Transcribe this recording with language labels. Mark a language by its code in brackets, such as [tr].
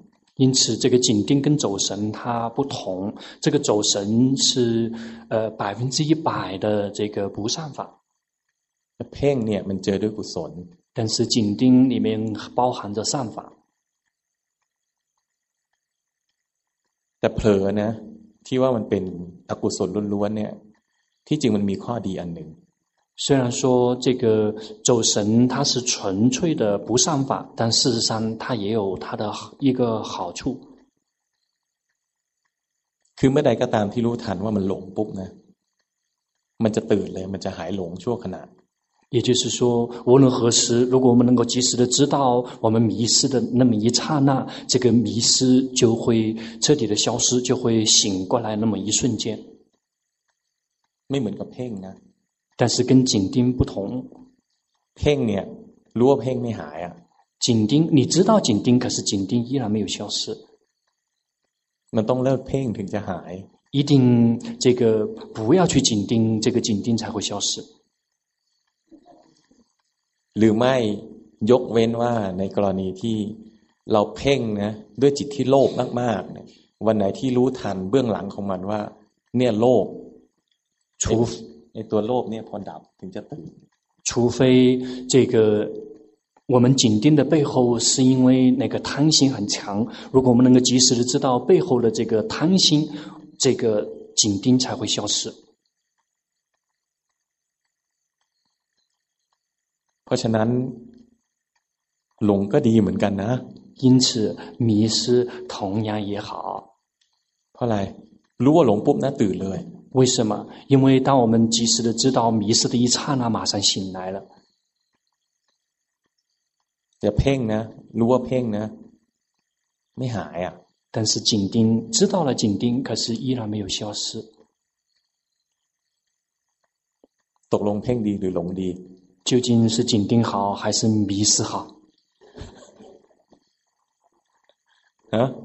[zh] ๆ因此这个紧盯跟走神它不同这个走神是100%的这个不善法 [th] เพ่งเนี่ยมันเจอด้วยกุศล [zh] 但是紧盯里面包含着善法 [th] แต่เผลอนะที่ว่ามันเป็นอกุศลล้วนๆเนี่ยที่จริงมันมีข้อดีอันหนึ่ง [zh] 虽然说这个走神它是纯粹的不善法但事实上它也有它的一个好处 [th] คือเมื่อใดก็ตามที่รู้ทันว่ามันหลงปุ๊บนะมันจะตื่นเลยมันจะหายหลงชั่วขณะ [zh] 也就是说无论何时如果我们能够及时的知道我们迷失的那么一刹那这个迷失就会彻底的消失就会醒过来那么一瞬间 [th] ไม่เหมือนกับเพ่งนะ [zh] 但是跟紧盯不同 [th] เพ่งเนี่ยรู้ว่าเพ่งไม่หายอ่ะ [zh] 紧盯你知道紧盯可是紧盯依然没有消失 [th] มันต้องเลิกเพ่งถึงจะหาย [zh] 一定这个不要去紧盯这个紧盯才会消失 [th] หรือไม่ยกเว้นว่าในกรณีที่เราเพ่งนะด้วยจิตที่โลภมากๆวันไหนที่รู้ทันเบื้องหลังของมันว่าเนี่ยโลภ ชู ในตัวโลภเนี่ยพอดับถึงจะตื่น [zh] 除非这个我们紧盯的背后是因为那个贪心很强如果我们能够及时的知道背后的这个贪心这个紧盯才会消失 [th] เพราะฉะนั้นหลงก็ดีเหมือนกันนะ [zh] 因此迷失同样也好 [th] เพราะอะไรรู้ว่าหลงปุ๊บนะตื่นเลย [zh] 为什么因为当我们及时的知道迷失的一刹那马上醒来了 [th] จะเพ่งนะรู้ว่าเพ่งนะไม่หายอ่ะ [zh] 但是紧盯知道了紧盯可是依然没有消失 [th] ตกลงเพ่งดีหรือหลงดี [zh] 究竟是紧盯好还是迷失好啊